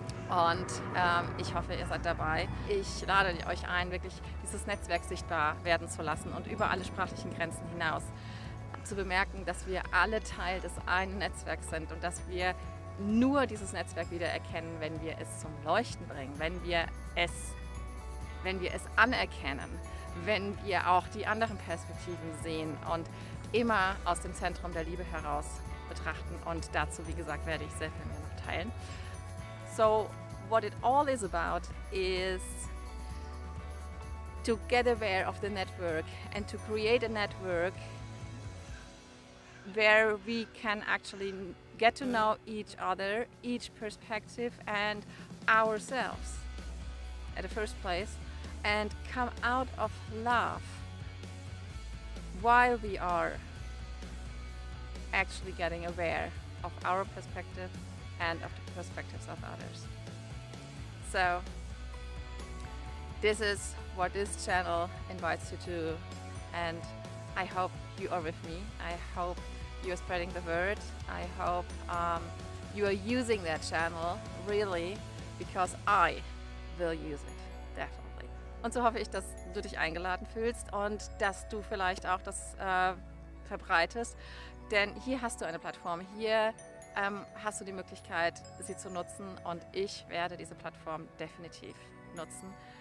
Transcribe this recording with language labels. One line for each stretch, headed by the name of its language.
German: Und ich hoffe, ihr seid dabei. Ich lade euch ein, wirklich dieses Netzwerk sichtbar werden zu lassen und über alle sprachlichen Grenzen hinaus zu bemerken, dass wir alle Teil des einen Netzwerks sind und dass wir nur dieses Netzwerk wieder erkennen, wenn wir es zum Leuchten bringen, wenn wir es anerkennen, wenn wir auch die anderen Perspektiven sehen und immer aus dem Zentrum der Liebe heraus betrachten. Und dazu, wie gesagt, werde ich sehr viel mehr noch teilen.
English: So what it all is about is to get aware of the network and to create a network where we can actually get to know each other, each perspective and ourselves at the first place, and come out of love while we are actually getting aware of our perspective and of the perspectives of others. So this is what this channel invites you to, and I hope you are with me. I hope you are spreading the word. I hope you are using that channel, really, because I will use it, definitely.
German: Und so hoffe ich, dass du dich eingeladen fühlst und dass du vielleicht auch das verbreitest, denn hier hast du eine Plattform, hier hast du die Möglichkeit, sie zu nutzen, und ich werde diese Plattform definitiv nutzen.